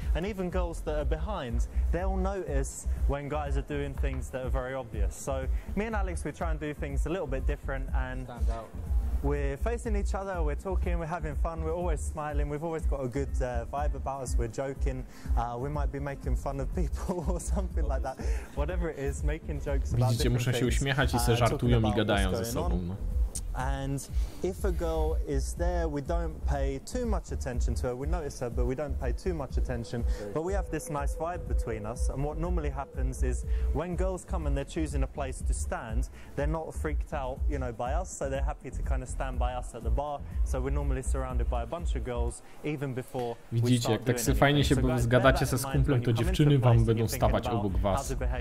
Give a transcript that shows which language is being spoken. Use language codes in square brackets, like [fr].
[en] And even girls that are behind, they'll notice when guys are doing things that are very obvious. So me and Alex, we try and do things a little bit different and stand out. We're facing each other, we're talking, we're having fun, we're always smiling, we've always got a good vibe about us, we're joking, we might be making fun of people or something like that. Whatever it is, making jokes about different things, [pl] się uśmiechać i se żartują i gadają ze sobą. [en] And if a girl is there, we don't pay too much attention to her. We notice her, but we don't pay too much attention. But we have this nice vibe between us. And what normally happens is when girls come and they're choosing a place to stand, they're not freaked out, you know, by us. So they're happy to kind of stand by us at the bar. So we're normally surrounded by a bunch of girls even before [pl] widzicie, [en] we start doing [pl] tak fajnie [en] anything. [pl] Się so zgadacie ze skumplem, to dziewczyny wam będą stawać obok was.